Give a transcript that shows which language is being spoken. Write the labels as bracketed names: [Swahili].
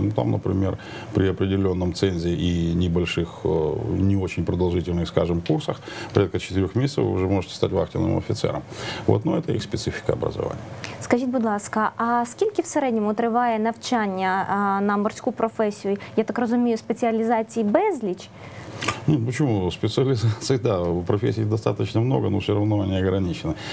[Russian] Ну, там, например, при определенном цензе и небольших, не очень продолжительных, скажем, курсах, порядка 4 месяцев, вы уже можете стать вахтенным офицером. Вот, но это их специфика образования. [Ukrainian] Скажіть, будь ласка, а скільки в середньому триває навчання на морську професію? Я так розумію, спеціалізації безліч? [Russian] Ну, почему? Специализации, да, профессий достаточно много, но все равно они ограничены.